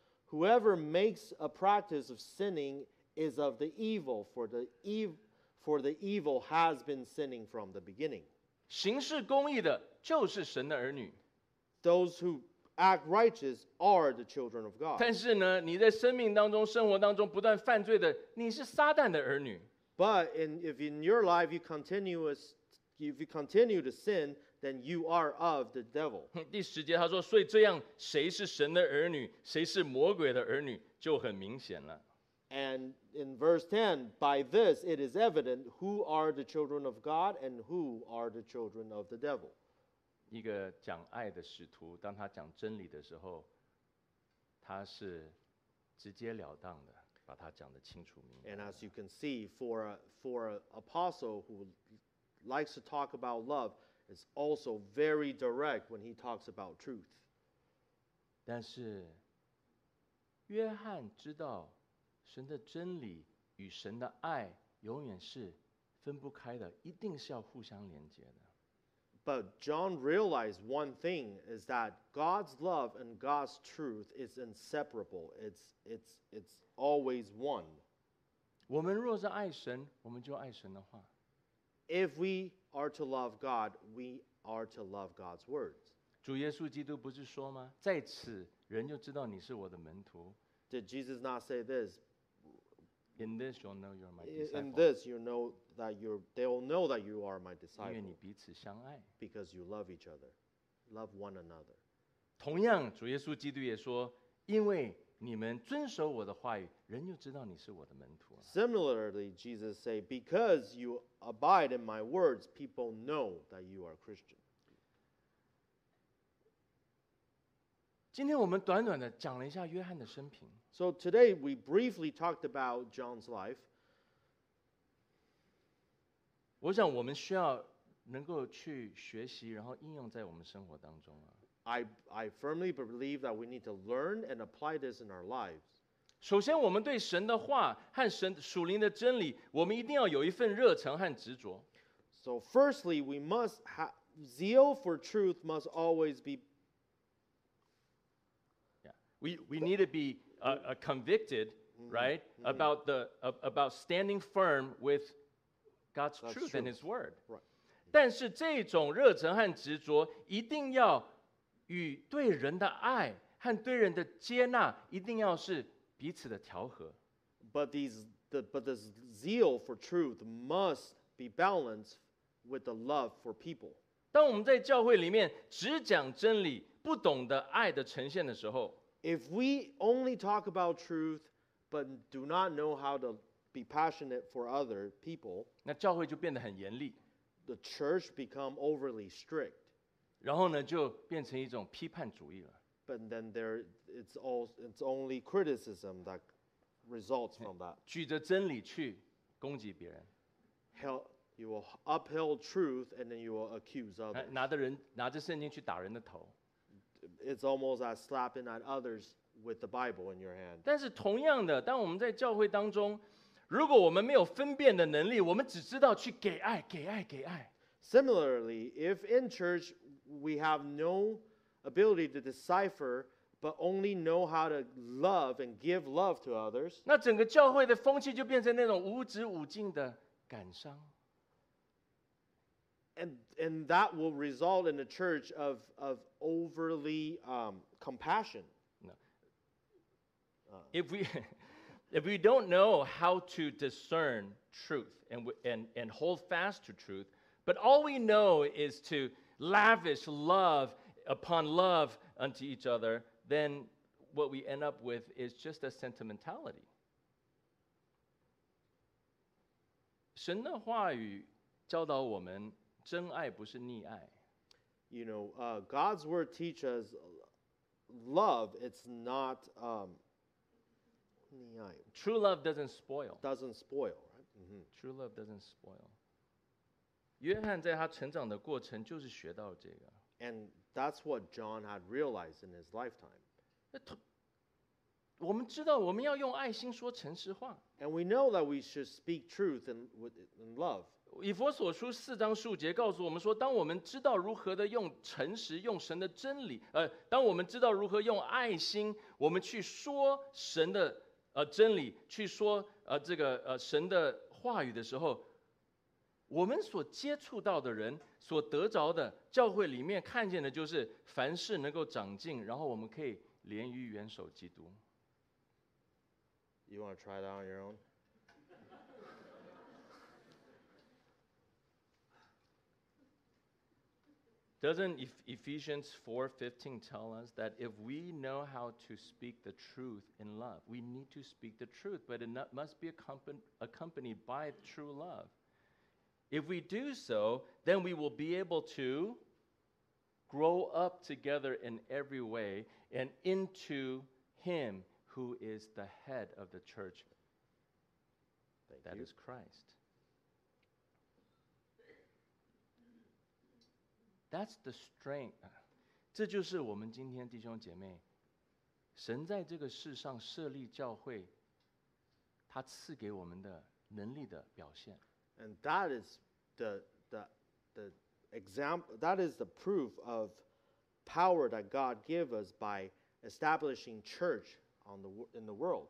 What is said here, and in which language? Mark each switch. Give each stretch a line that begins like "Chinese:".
English: Whoever makes a practice of sinning is of the evil, for the evil has been sinning from the beginning.
Chinese: 行事公义的就是神的儿女。
English: Those who act righteous are the children of God.
Chinese: 但是呢，你在生命当中、生活当中不断犯罪的，你是撒旦的儿女。
English: But if in your life you continue to sin, then you are of the devil.
Chinese: 第十节他说，所以这样谁是神的儿女，谁是魔鬼的儿女，就很明显了。
English: And in verse 10, by this it is evident who are the children of God and who are the children of the devil.
Chinese: 一个讲爱的使徒，当他讲真理的时候，他是直截了当的，把他讲得清楚明白。
English: And as you can see, for an apostle who likes to talk about love, is also very direct when he talks about truth.
Chinese: 但是约翰知道神的真理与神的爱永远是分不开的，一定是要互相连接的。
English: But John realized one thing is that God's love and God's truth is inseparable. It's always one.
Chinese: 我们若是爱神，我们就爱神的话。
English: If we are to love God, we are to love God's words.
Chinese: 主耶稣基督不是说吗？在此人就知道你是我的门徒。
English: Did Jesus not say this? In this, you'll know you're my disciple. In this, you know that you're. They'll know that you are my disciple.
Chinese: 因为你彼此相爱。
English: Because you love each other, love one another.
Chinese: 同样，主耶稣基督也说，因为你们遵守我的话语，人就知道你是我的门徒。
English: Similarly, Jesus said, because you abide in my words, people know that you are Christian.
Chinese: 今天我们短短的讲了一下约翰的生平。
English: So today we briefly talked about John's life.
Chinese: 我想我们需要能够去学习，然后应用在我们生活当中啊。
English: I firmly believe that we need to learn and apply this in our lives.
Chinese: 首先我们对神的话和神属灵的真理，我们一定要有一份热忱和执着。
English: So firstly, we must have zeal for truth must always be We need to be convicted, right? Mm-hmm. About standing firm with God's truth and his word. Right.
Chinese: 但是这种热忱和执着一定要与对人的爱和对人的接纳一定要是彼此的调和。
English: But this zeal for truth must be balanced with the love for people.
Chinese: 当我们在教会里面只讲真理，不懂得爱的呈现的时候，
English: If we only talk about truth but do not know how to be passionate for other people,
Chinese: 那教会就变得很严厉。
English: The church become overly strict.
Chinese: 然后呢，就变成一种批判主义了。
English: But then it's only criticism that results from that.
Chinese: 举着真理去攻击别人。
English: You will uphold truth and then you will accuse others.
Chinese: 拿着圣经去打人的头。
English: It's almost like slapping at others with the Bible in your hand.
Chinese: 但是同样的，当我们在教会当中，如果我们没有分辨的能力，我们只知道去给爱，给爱，给爱。
English: Similarly, if in church we have no ability to decipher, but only know how to love and give love to others,
Chinese: 那整个教会的风气就变成那种无止无尽的感伤。
English: And that will result in a church of overly compassion. No. If we don't know how to discern truth and hold fast to truth, but all we know is to lavish love upon love unto each other, then what we end up with is just a sentimentality.
Chinese: 神的话语教导我们真爱不是溺爱。
English: You know, God's word teaches love, it's not
Chinese: 溺爱。
English: True love doesn't spoil. Doesn't spoil, right? Mm-hmm. True love doesn't spoil.
Chinese: 约翰在他成长的过程就是学到这个。
English: And that's what John had realized in his lifetime.
Chinese: 我们知道我们要用爱心说诚实话。
English: And we know that we should speak truth and love.
Chinese: 以弗所书四章十五节告诉我们说，当我们知道如何的用诚实，用神的真理，当我们知道如何用爱心，我们去说神的真理，去说这个神的话语的时候，我们所接触到的人所得着的教会里面看见的就是凡事能够长进，然后我们可以连于元首基督。
English: You want to try that on your own? Doesn't Ephesians 4:15 tell us that if we know how to speak the truth in love, we need to speak the truth, but it must be accompanied by true love? If we do so, then we will be able to grow up together in every way and into him who is the head of the church. Thank you. That is Christ. That's the strength.
Chinese: 这就是我们今天弟兄姐妹，神在这个世上设立教会，他赐给我们的能力的表现。
English: And that is... The example that is the proof of power that God gave us by establishing church in the world.